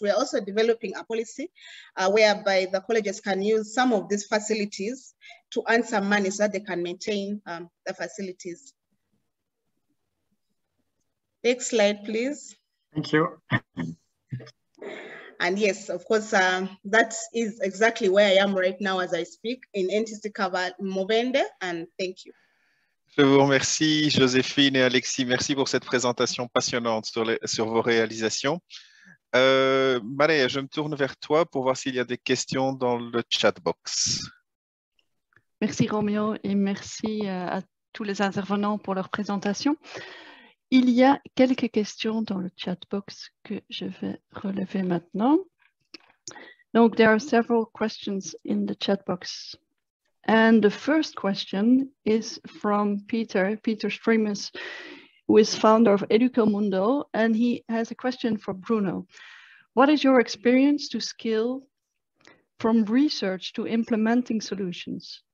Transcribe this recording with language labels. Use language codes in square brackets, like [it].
[en] We are also developing a policy whereby the colleges can use some of these facilities to earn some money so that they can maintain the facilities. Next slide, please. Thank you. And yes, of course, that is exactly where I am right now as I speak, in NTC Kabale-Mubende, and thank you. [fr] Je vous remercie, Joséphine et Alexis. Merci pour cette présentation passionnante sur vos réalisations. Maria, je me tourne vers toi pour voir s'il y a des questions dans le chat box. Merci, Roméo, et merci à tous les intervenants pour leur présentation. Il y a quelques questions dans le chat box que je vais relever maintenant. [en] Donc, there are several questions in the chat box. And the first question is from Peter Streamers, who is founder of EducoMundo, and he has a question for Bruno. What is your experience to scale from research to implementing solutions?